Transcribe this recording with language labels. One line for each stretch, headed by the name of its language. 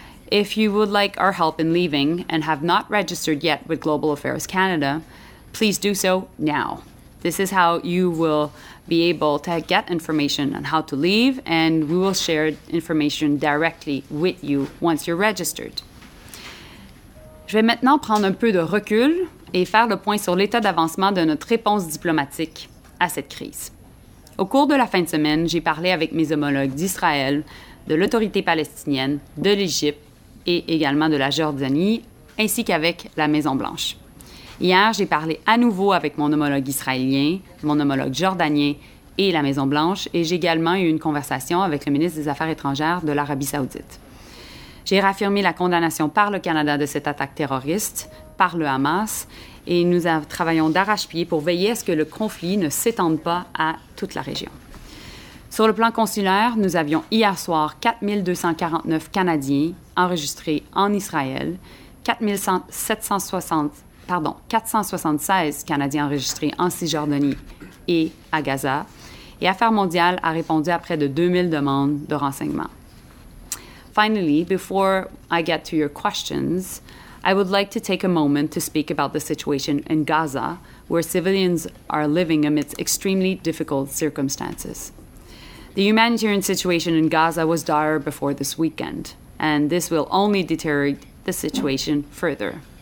English: If you would like our help in leaving and have not registered yet with Global Affairs Canada, please do so now. This is how you will be able to get information on how to leave, and we will share information directly with you once you're registered.
French: Je vais maintenant prendre un peu de recul et faire le point sur l'état d'avancement de notre réponse diplomatique à cette crise. Au cours de la fin de semaine, j'ai parlé avec mes homologues d'Israël, de l'autorité palestinienne, de l'Égypte et également de la Jordanie, ainsi qu'avec la Maison-Blanche. Hier, j'ai parlé à nouveau avec mon homologue israélien, mon homologue jordanien et la Maison-Blanche, et j'ai également eu une conversation avec le ministre des Affaires étrangères de l'Arabie saoudite. J'ai réaffirmé la condamnation par le Canada de cette attaque terroriste, par le Hamas, et nous travaillons d'arrache-pied pour veiller à ce que le conflit ne s'étende pas à toute la région. Sur le plan consulaire, nous avions hier soir 4249 Canadiens enregistrés en Israël, 476 Canadiens enregistrés en Cisjordanie et à Gaza, et Affaires mondiales a répondu à près de 2000 demandes de renseignements.
English: Finally, before I get to your questions, I would like to take a moment to speak about the situation in Gaza, where civilians are living amidst extremely difficult circumstances. The humanitarian situation in Gaza was dire before this weekend, and this will only deteriorate the situation further.